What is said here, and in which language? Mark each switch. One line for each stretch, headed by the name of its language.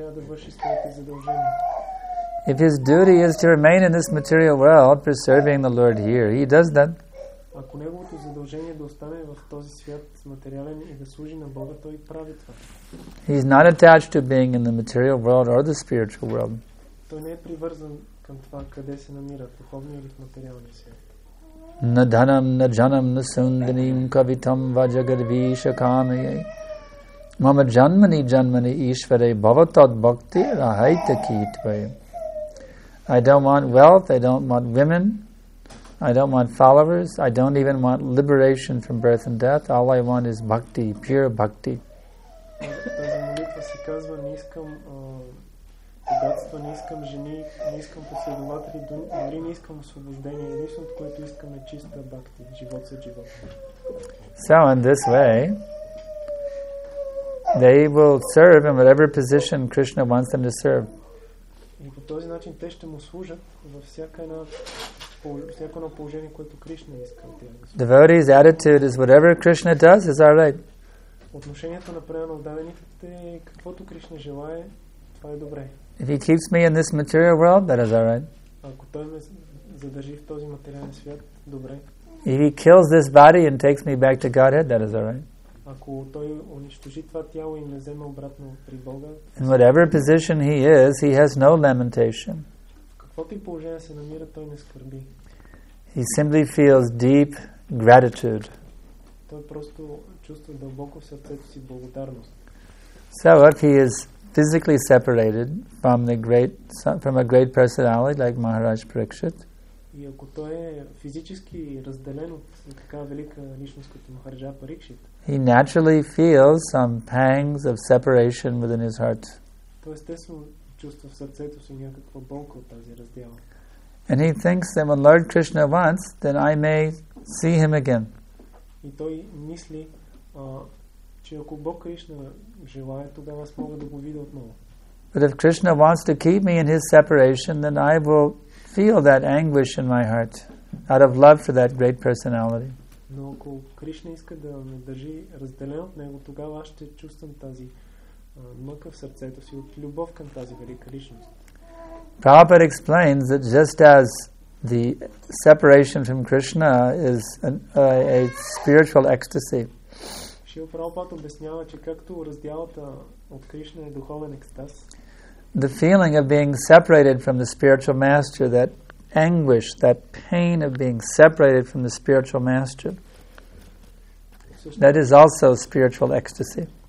English: If his duty is to remain in this material world preserving the Lord here, he does that.
Bulgarian: Ако неговото задължение да остане в този свят материален и да служи на Бога, той прави това.
English: He is not attached to being in the material world or the spiritual world.
Bulgarian: Той не е привързан към това къде се намира, духовния или в материалния свят.
Sanskrit: На данам, на джанам, на сундарим, кавитам, ваджагарви, шакамие. Мама джанмани, джанмани, ишваре, баватат бхакти, рахайта китвай.
English: I don't want wealth, I don't want women, I don't want followers. I don't even want liberation from birth and death. All I want is bhakti, pure bhakti.
Bulgarian: Тази молитва се казва, не искам богатство, не искам жени, не искам последователи, дори не искам освобождение. Единственото, което искам е чиста бхакти, живот за живот.
English: So in this way, They will serve in whatever position Krishna wants them to serve.
Bulgarian: И по този начин те ще му служат във всяка една всяко едно положение, което Кришна иска от тях.
English: Devotee's attitude is whatever Krishna does is all right.
Bulgarian: Отношението на преданите е каквото Кришна желае, това е добре.
English: If he keeps me in this material world, that is all right.
Bulgarian: Ако той ме задържи в този материален свят, добре.
English: If he kills this body and takes me back to Godhead, that is all right.
Bulgarian: Ако той унищожи това тяло и ме вземе обратно при Бога.
English: In whatever position he is, he has no lamentation.
Bulgarian: Каквото и положение се намира, той не скърби.
English: He simply feels deep gratitude.
Bulgarian: Той просто чувства дълбоко в сърцето си благодарност.
English: So if he is physically separated from the great from a great personality like Maharaj Parikshit,
Bulgarian: и ако той е физически разделен от такава велика личност като Махараджа Парикшит,
English: he naturally feels some pangs of separation within his heart.
Bulgarian: Той естествено чувства в сърцето си някаква болка от тази раздяла.
English: And he thinks that when Lord Krishna wants, then I may see him again.
Bulgarian: И той мисли, че ако Бог Кришна желае, тогава аз мога да го видя отново.
English: But if Krishna wants to keep me in his separation, then I will feel that anguish in my heart out of love for that great personality.
Bulgarian: Но ако Кришна иска да ме държи разделен от него, тогава аз ще чувствам тази мъка в сърцето си от любов към тази велика личност.
English: Prabhupada explains that just as the separation from Krishna is a spiritual ecstasy.
Bulgarian: Шрила Прабхупада обяснява, че както раздялата от Кришна е духовен екстаз.
English: The feeling of being separated from the spiritual master, that anguish, that pain of being separated from the spiritual master, that is also spiritual ecstasy.